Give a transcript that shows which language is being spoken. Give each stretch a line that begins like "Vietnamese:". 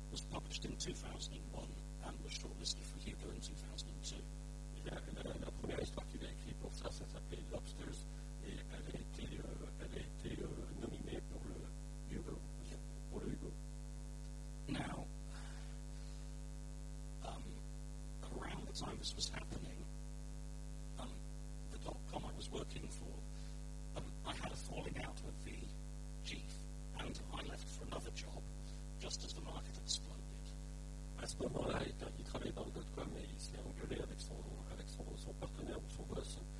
English: published in 2001 and was shortlisted for Hugo in 2002.
French: La première histoire qu'il a écrite pour ça, ça s'appelait Lobsters, et elle a été nominée pour le Hugo.
English: Now, around the time this was happening, the dot-com I was working for, I had a falling out with the chief, and I left for another job, just as the market exploded.
French: À ce moment-là, il travaillait dans le dot-com et il s'est engueulé avec son partenaire ou son boss.